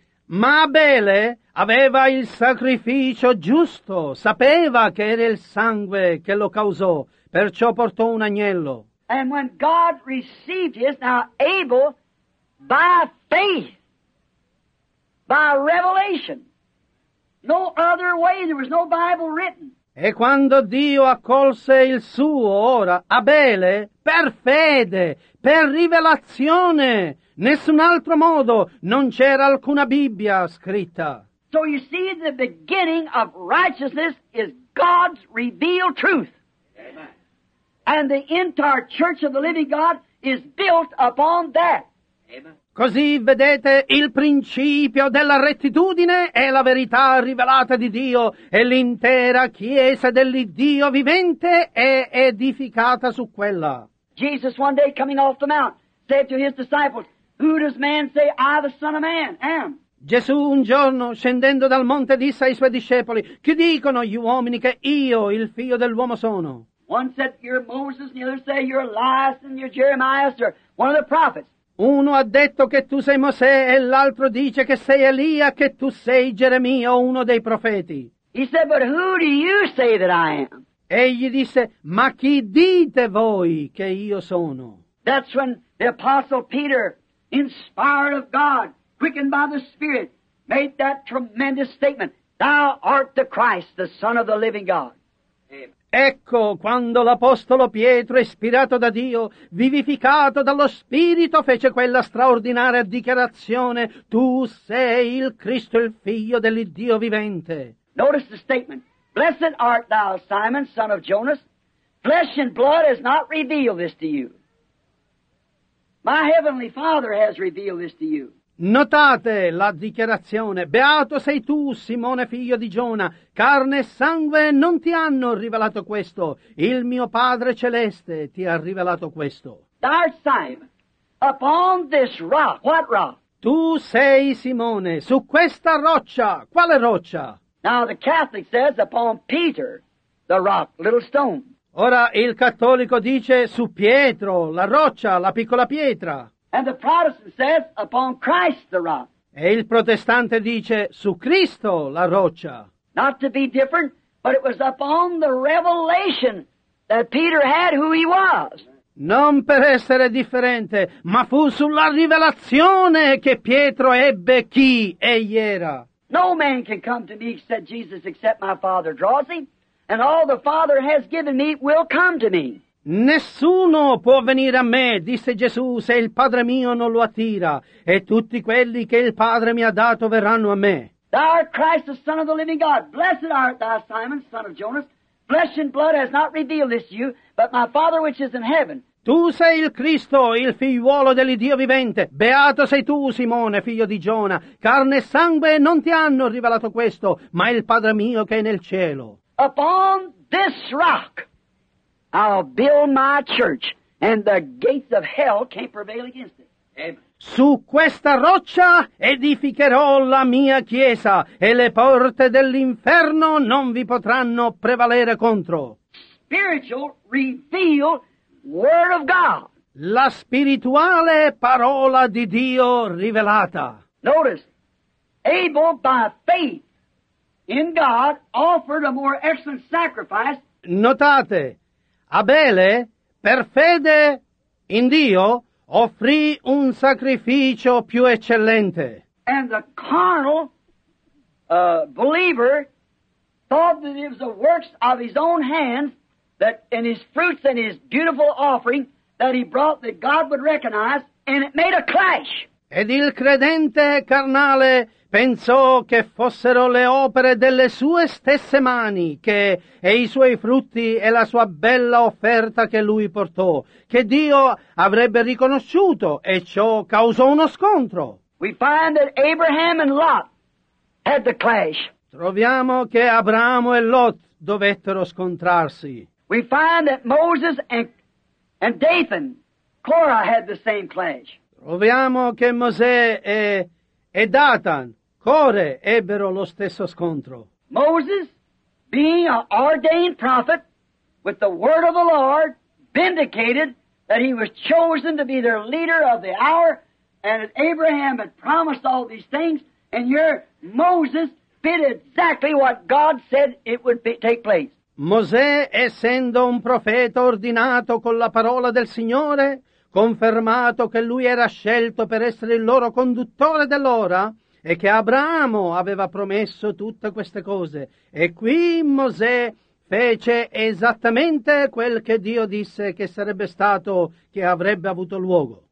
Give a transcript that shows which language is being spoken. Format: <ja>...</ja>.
<it>Ma Abele aveva il sacrificio giusto, sapeva che era il sangue che lo causò, perciò portò un agnello.</it> <en>And when God received his, now Abel, by faith, by revelation, no other way, there was no Bible written.</en> <it>E quando Dio accolse il suo, ora, Abele, per fede, per rivelazione, nessun altro modo, non c'era alcuna Bibbia scritta.</it> <en>So you see, the beginning of righteousness is God's revealed truth. And the entire church of the living God is built upon that.</en> <it>Così vedete, il principio della rettitudine è la verità rivelata di Dio, e l'intera chiesa dell'Iddio vivente è edificata su quella.</it> <en>Jesus one day coming off the mount said to his disciples, who does man say I the son of man am?</en> <it>Gesù un giorno scendendo dal monte disse ai suoi discepoli, chi dicono gli uomini che io il figlio dell'uomo sono?</it> <en>One said you're Moses, and the other said you're Elias, and you're Jeremiah, or one of the prophets.</en> <it>Uno ha detto che tu sei Mosè, e l'altro dice che sei Elia, che tu sei Geremia, uno dei profeti.</it> <en>He said, but who do you say that I am?</en> <it>Egli disse, ma chi dite voi che io sono?</it> <en>That's when the apostle Peter, inspired of God, quickened by the Spirit, made that tremendous statement, thou art the Christ, the Son of the living God. Amen.</en> <it>Ecco quando l'apostolo Pietro, ispirato da Dio, vivificato dallo Spirito, fece quella straordinaria dichiarazione, tu sei il Cristo, il figlio dell'Iddio vivente.</it> <en>Notice the statement, blessed art thou, Simon, son of Jonas, flesh and blood has not revealed this to you. My heavenly Father has revealed this to you.</en> <it>Notate la dichiarazione, beato sei tu, Simone figlio di Giona, carne e sangue non ti hanno rivelato questo, il mio Padre Celeste ti ha rivelato questo.</it> <en>Thou art Simon, upon this rock, what rock?</en> <it>Tu sei Simone, su questa roccia, quale roccia?</it> <en>Now the Catholic says upon Peter, the rock, little stone.</en> <it>Ora il cattolico dice su Pietro, la roccia, la piccola pietra.</it> <en>And the Protestant says, upon Christ the rock.</en> <it>E il protestante dice, su Cristo la roccia.</it> <en>Not to be different, but it was upon the revelation that Peter had who he was.</en> <it>Non per essere differente, ma fu sulla rivelazione che Pietro ebbe chi egli era.</it> <en>No man can come to me, said Jesus, except my Father draws him, and all the Father has given me will come to me.</en> <it>Nessuno può venire a me, disse Gesù, se il Padre mio non lo attira, e tutti quelli che il Padre mi ha dato verranno a me.</it> <en>Thou art Christ, the Son of the living God. Blessed art thou, Simon, son of Jonas. Flesh and blood has not revealed this to you, but my Father which is in heaven.</en> <it>Tu sei il Cristo, il figliuolo dell'Iddio vivente. Beato sei tu, Simone, figlio di Giona. Carne e sangue non ti hanno rivelato questo, ma il Padre mio che è nel cielo.</it> <en>Upon this rock I'll build my church, and the gates of hell can't prevail against it. Amen.</en> <it>Su questa roccia edificherò la mia chiesa, e le porte dell'inferno non vi potranno prevalere contro.</it> <en>Spiritual, revealed word of God.</en> <it>La spirituale parola di Dio rivelata.</it> <en>Notice, Abel by faith in God offered a more excellent sacrifice.</en> <it>Notate. Abele, per fede in Dio, offrì un sacrificio più eccellente.</it> <en>And the carnal believer thought that it was the works of his own hands, that in his fruits and his beautiful offering that he brought that God would recognize, and it made a clash.</en> <it>Ed il credente carnale pensò che fossero le opere delle sue stesse mani che, e i suoi frutti e la sua bella offerta che lui portò, che Dio avrebbe riconosciuto, e ciò causò uno scontro.</it> <en>We find that Abraham and Lot had the clash.</en> <it>Troviamo che Abramo e Lot dovettero scontrarsi.</it> <en>We find that Moses and Dathan, Korah had the same clash.</en> <it>Troviamo che Mosè e Datan, Core, ebbero lo stesso scontro.</it> <en>Moses, being an ordained prophet, with the word of the Lord, vindicated that he was chosen to be their leader of the hour, and that Abraham had promised all these things, and your Moses did exactly what God said it would take place.</en> <it>Mosè, essendo un profeta ordinato con la parola del Signore, confermato che lui era scelto per essere il loro conduttore dell'ora e che Abramo aveva promesso tutte queste cose. E qui Mosè fece esattamente quel che Dio disse che sarebbe stato, che avrebbe avuto luogo.</it>